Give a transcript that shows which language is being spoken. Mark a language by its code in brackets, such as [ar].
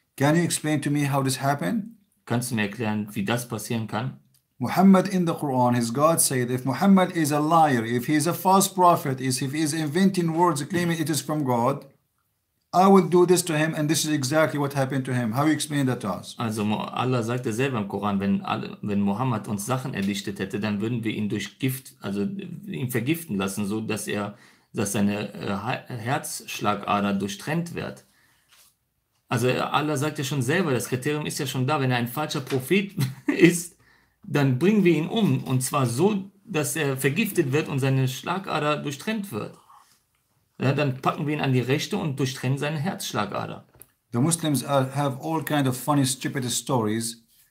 [en] Can you explain to me how this happened? [de] Kannst du mir erklären, wie das passieren kann? [en] Muhammad in the Quran, his God said, if Muhammad is a liar, if he is a false prophet, if he is inventing words claiming it is from God, I will do this to him, and this is exactly what happened to him. How do you explain that to us? [de] Also Allah sagte selber im Koran, wenn Muhammad uns Sachen erdichtet hätte, dann würden wir ihn durch Gift, also ihn vergiften lassen, so dass er, dass seine Herzschlagader durchtrennt wird. Also Allah sagt ja schon selber, das Kriterium ist ja schon da, wenn er ein falscher Prophet ist, dann bringen wir ihn um, und zwar so, dass er vergiftet wird und seine Schlagader durchtrennt wird. Ja, dann packen wir ihn an die Rechte und durchtrennen seine Herzschlagader. [en] The Muslims have all kind of funny, stupid stories